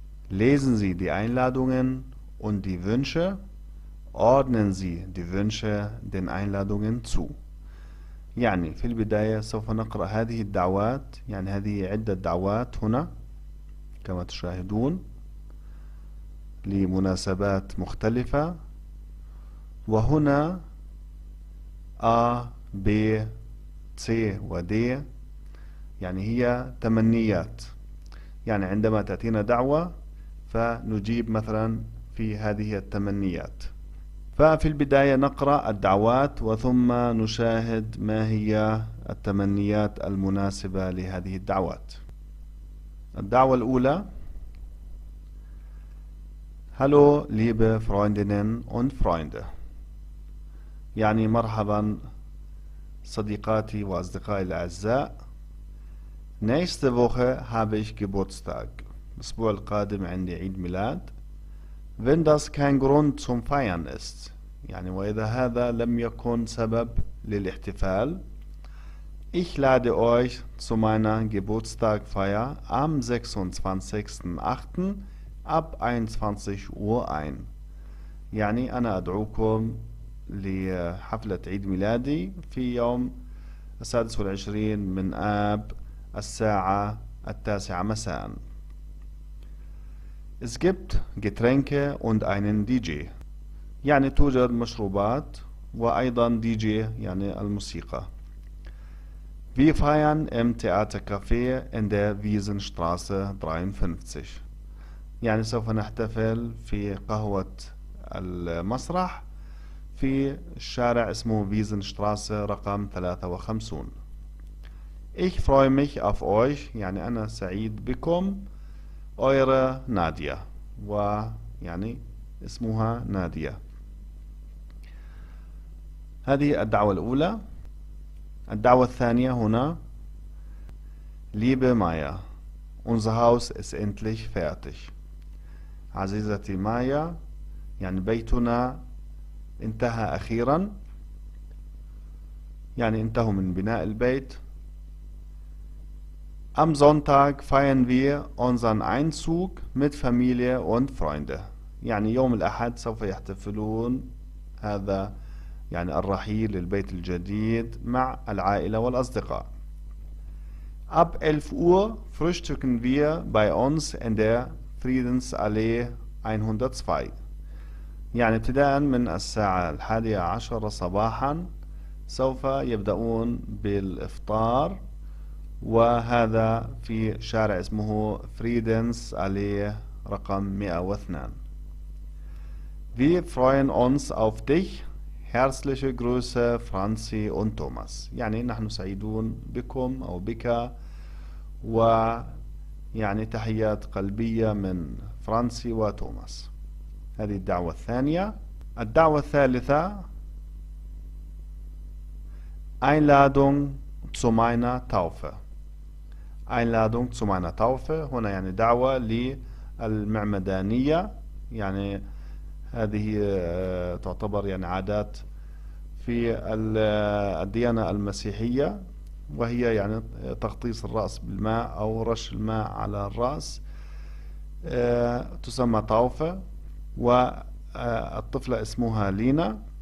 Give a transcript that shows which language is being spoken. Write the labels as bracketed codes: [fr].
[de] Lesen Sie die Einladungen und die Wünsche. Ordnen Sie die Wünsche den Einladungen zu. [ar] يعني في البداية سوف نقرأ هذه الدعوات، يعني هذه عدة دعوات هنا كما تشاهدون لمناسبات مختلفة. وهنا A B C و D يعني هي تمنيات، يعني عندما تأتينا دعوة فنجيب مثلا في هذه التمنيات. ففي البداية نقرأ الدعوات وثم نشاهد ما هي التمنيات المناسبة لهذه الدعوات. الدعوة الأولى: [de] Hallo liebe Freundinnen und Freunde. [ar] يعني مرحبا صديقاتي وأصدقائي الأعزاء. [de] Nächste Woche habe ich Geburtstag. [ar] الأسبوع القادم عندي عيد ميلاد. [de] Wenn das kein Grund zum Feiern ist. [ar] يعني وإذا هذا لم يكن سبب للاحتفال. [de] Ich lade euch zu meiner Geburtstagfeier am 26.08. ab 21 Uhr ein. [ar] يعني أنا أدعوكم لحفلة عيد ميلادي في يوم 26 من آب الساعة 9 مساء. [de] Es gibt Getränke und einen DJ. [ar] يعني توجد مشروبات وأيضا دي جي يعني الموسيقى. [de] Wir feiern im Theatercafé in der Wiesenstraße 53. [ar] يعني سوف نحتفل في قهوة المسرح في الشارع اسمه Wiesenstraße رقم 53. [de] Ich freue mich auf euch. [ar] يعني أنا سعيد بكم. [de] Eure Nadia. [ar] ويعني اسمها نادية. هذه الدعوة الأولى. الدعوة الثانية هنا: [de] Liebe Maya, unser Haus ist endlich fertig. [ar] عزيزتي مايا، يعني بيتنا انتهى أخيرا، يعني انتهوا من بناء البيت. [de] Am Sonntag feiern wir unseren Einzug mit Familie und Freunde. [ar] يعني يوم الأحد سوف يحتفلون هذا يعني الرحيل للبيت الجديد مع العائلة والأصدقاء. [de] Ab 11 Uhr frühstücken wir bei uns in der Friedensallee 102. [ar] يعني ابتداء من الساعة 11 صباحا سوف يبدأون بالإفطار وهذا في شارع اسمه فريدنس أليه رقم 102. [de] Wir freuen uns auf dich. Herzliche Grüße Franzi und Thomas. [ar] يعني نحن سعيدون بكم أو بك ويعني تحيات قلبية من فرانسي وتوماس. هذه الدعوة الثانية. الدعوة الثالثة: [de] Einladung zu meiner Taufe. Einladung zu meiner Taufe. [ar] هنا يعني دعوة للمعمدانية، يعني هذه تعتبر يعني عادات في الديانة المسيحية، وهي يعني تغطيس الرأس بالماء أو رش الماء على الرأس، تسمى طوفة، والطفلة اسمها لينا.